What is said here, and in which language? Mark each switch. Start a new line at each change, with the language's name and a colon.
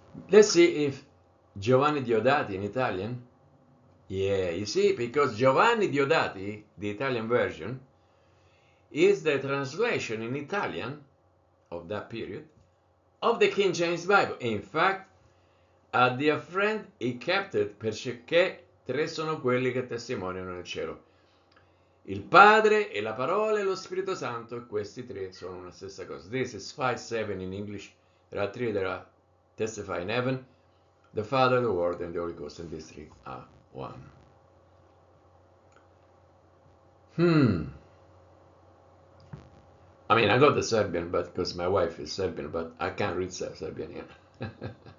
English: Let's see if Giovanni Diodati in Italian. Yeah, you see, because Giovanni Diodati, the Italian version, is the translation in Italian of that period of the King James Bible. In fact, a dear friend, he kept it,
Italian: perché tre sono quelli che testimoniano nel cielo. Il Padre e la Parola e lo Spirito Santo, questi tre sono una stessa cosa.
English: This is 5:7 in English. There are three that are testify in heaven, the Father, the Word, and the Holy Ghost, and these three are one. I mean, I got the Serbian, but because my wife is Serbian, but I can't read Serbian here.